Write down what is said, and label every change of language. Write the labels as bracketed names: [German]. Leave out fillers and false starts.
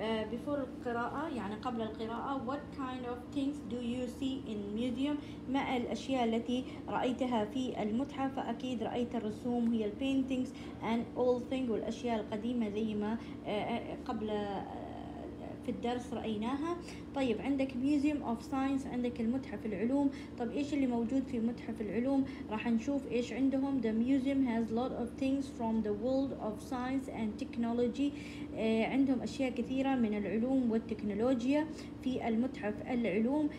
[English] before [Arabic] القراءة يعني قبل القراءة. [English] what kind of things do you see in museum. [Arabic] ما الأشياء التي رأيتها في المتحف. أكيد رأيت الرسوم, هي ال [English] paintings and old things, [Arabic] والأشياء القديمة زي ما قبل في الدرس رأيناها. طيب, عندك [English] museum of science, [Arabic] عندك المتحف العلوم. طب إيش اللي موجود في متحف العلوم؟ راح نشوف إيش عندهم. [English] the museum has lot of things from the world of science and technology. [Arabic] عندهم أشياء كثيرة من العلوم والتكنولوجيا في المتحف العلوم.